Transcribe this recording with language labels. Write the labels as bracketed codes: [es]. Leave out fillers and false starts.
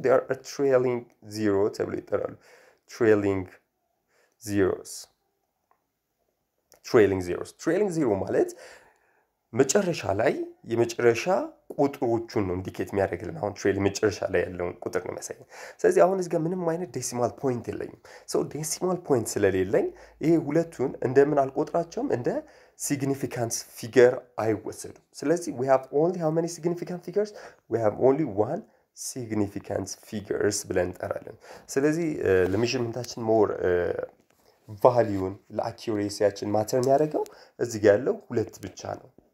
[en] they are a trailing zero [am] ተብሎ ይጠራሉ። trailing zeros trailing zero ማለት መጨረሻ ላይ የመጨረሻ ቁጥሮቹን ነው ኢንዲኬት የሚያደርግልን። አሁን ትሬል መጨረሻ ላይ ያለውን ቁጥር ነው የሚያሳየን። ስለዚህ አሁን እዚህ ጋር ምንም አይነት ዴሲማል ፖይንት የለኝም። ሰው ዴሲማል ፖይንት ስለሌለኝ ይሄ ሁለቱን እንደምን አልቆጥራቸውም? እንደ [en] significance figure [am] አይወሰድም. ስለዚህ [en] we have only how many significant figures? We have only one significant figures [am] ብለን እንጠራለን. ስለዚህ ለሚሽንመንታችን more value ለአክዩሬሲያችን ማተር የሚያደርገው እዚህ ጋር ያለው ሁለት ብቻ ነው.